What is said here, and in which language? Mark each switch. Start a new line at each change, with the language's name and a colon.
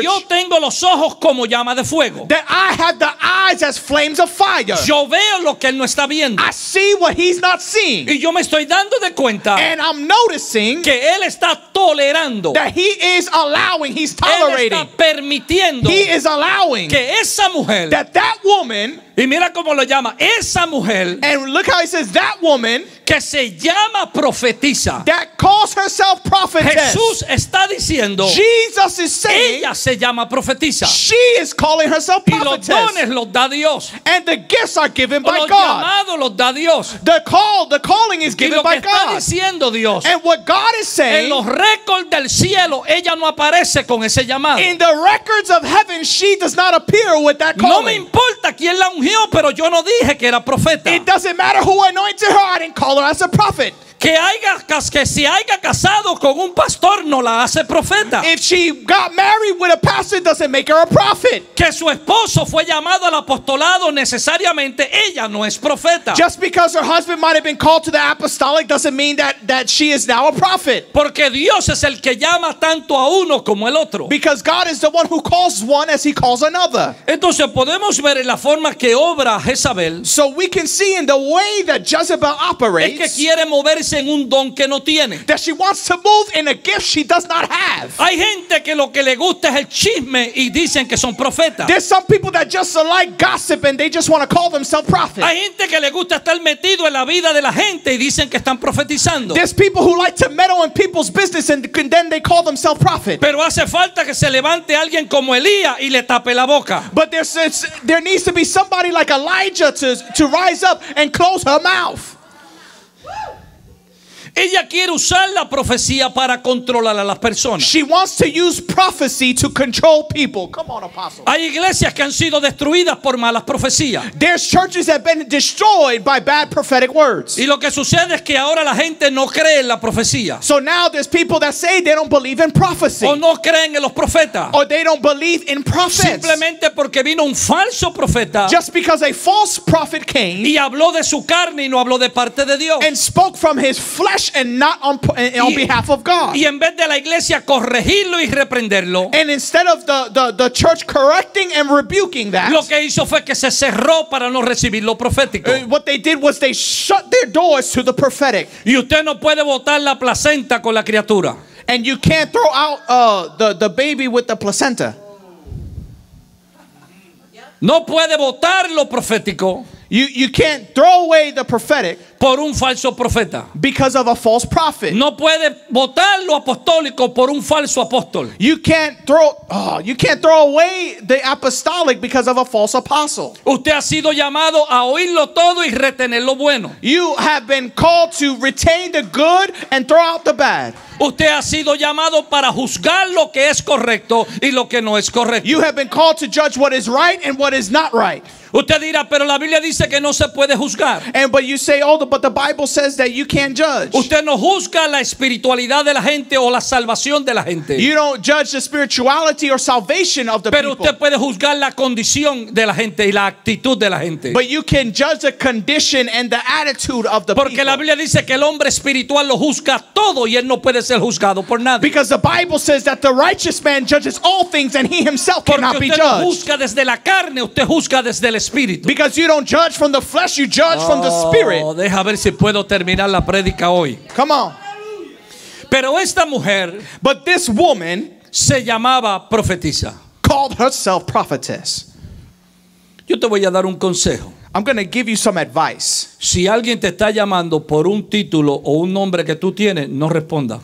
Spanish: Que yo tengo los ojos como llama de fuego.
English: That I have the eyes as flames of fire.
Spanish: Yo veo lo que él no está viendo.
English: I see what he's not seeing.
Spanish: Y yo me estoy dando de cuenta.
English: And I'm noticing.
Spanish: Que él está tolerando.
English: That he is allowing. He's tolerating.
Spanish: Él está permitiendo.
English: He is allowing.
Spanish: Que esa mujer.
English: That woman.
Spanish: Y mira cómo lo llama, esa mujer.
English: And look how he says that woman,
Spanish: que se llama profetisa.
English: That calls herself prophetess.
Spanish: Jesús está diciendo.
English: Jesus is saying.
Spanish: Ella se llama profetisa.
English: She is calling herself prophetess.
Spanish: Y los dones los da Dios.
English: And the gifts are given by
Spanish: los
English: God.
Spanish: Los llamados los da Dios.
English: The calling is given by God.
Spanish: Y lo que está diciendo Dios.
English: And what God is saying.
Spanish: En los récords del cielo, ella no aparece con ese llamado.
English: In the records of heaven, she does not appear with that calling.
Spanish: No me importa quién la ungió, pero yo no dije que era profeta.
English: It doesn't matter who anointed her. I didn't call her as a prophet.
Spanish: Que si haya casado con un pastor, no la hace profeta.
English: If she got married with a pastor, doesn't make her a prophet.
Spanish: Que su esposo fue llamado al apostolado, necesariamente ella no es profeta.
English: Just because her husband might have been called to the apostolic doesn't mean that she is now a prophet.
Spanish: Porque Dios es el que llama tanto a uno como el otro.
English: Because God is the one who calls one as he calls another.
Spanish: Entonces podemos ver en la forma que obra Jezabel.
English: So we can see in the way that Jezebel operates.
Spanish: Es que quiere mover en un don que no tiene.
English: That she wants to move in a gift she does not have.
Spanish: Hay gente que lo que le gusta es el chisme y dicen que son profetas.
English: There's some people that just like gossip and they just want to call themselves prophets.
Spanish: Hay gente que le gusta estar metido en la vida de la gente y dicen que están profetizando.
English: There's people who like to meddle in people's business and then they call themselves prophets.
Spanish: Pero hace falta que se levante alguien como Elías y le tape la boca.
English: But there needs to be somebody like Elijah to rise up and close her mouth.
Spanish: Ella quiere usar la profecía para controlar a las personas.
English: She wants to use prophecy to control people. Come on, apostle.
Spanish: Hay iglesias que han sido destruidas por malas profecías.
English: There's churches that have been destroyed by bad prophetic words.
Spanish: Y lo que sucede es que ahora la gente no cree en la profecía.
English: So now there's people that say they don't believe in prophecy.
Spanish: O no creen en los profetas.
English: Or they don't believe in prophets.
Spanish: Simplemente porque vino un falso profeta.
English: Just because a false prophet came.
Spanish: Y habló de su carne y no habló de parte de Dios.
English: And spoke from his flesh. And not on behalf of God.
Spanish: Y en vez de la iglesia corregirlo y reprenderlo,
English: and instead of the church correcting and rebuking that,
Spanish: lo que hizo fue que se cerró para no recibir lo profético.
English: What they did was they shut their doors to the prophetic.
Spanish: Y usted no puede botar la placenta con la criatura.
English: And you can't throw out the baby with the placenta.
Spanish: No puede botar lo profético.
English: You can't throw away the prophetic.
Spanish: por un falso profeta.
English: Because of a false prophet.
Spanish: No puede botar lo apostólico por un falso apóstol.
English: You can't throw away the apostolic because of a false apostle.
Spanish: Usted ha sido llamado a oírlo todo y retener lo bueno.
English: You have been called to retain the good and throw out the bad.
Spanish: Usted ha sido llamado para juzgar lo que es correcto y lo que no es correcto.
English: You have been called to judge what is right and what is not right.
Spanish: Usted dirá, pero la Biblia dice que no se puede juzgar.
English: And but you say, oh, but the Bible says that you can't judge.
Spanish: Usted no juzga la espiritualidad de la gente o la salvación de la gente.
English: You don't judge the spirituality or salvation of the people.
Spanish: Pero usted puede juzgar la condición de la gente y la actitud de la gente.
English: But you can judge the condition and the attitude of the people.
Spanish: Porque la Biblia dice que el hombre espiritual lo juzga todo y él no puede ser juzgado por nadie.
English: Because the Bible says that the righteous man judges all things and he himself cannot be judged.
Spanish: Porque usted no juzga desde la carne, usted juzga desde el Espíritu.
English: Because you don't judge from the flesh, you judge from the spirit.
Spanish: Deja ver si puedo terminar la prédica hoy.
English: Come on.
Spanish: Pero esta mujer,
English: but this woman,
Spanish: se llamaba profetisa.
English: Called herself prophetess.
Spanish: Yo te voy a dar un consejo.
English: I'm going to give you some advice.
Spanish: Si alguien te está llamando por un título o un nombre que tú tienes, no responda.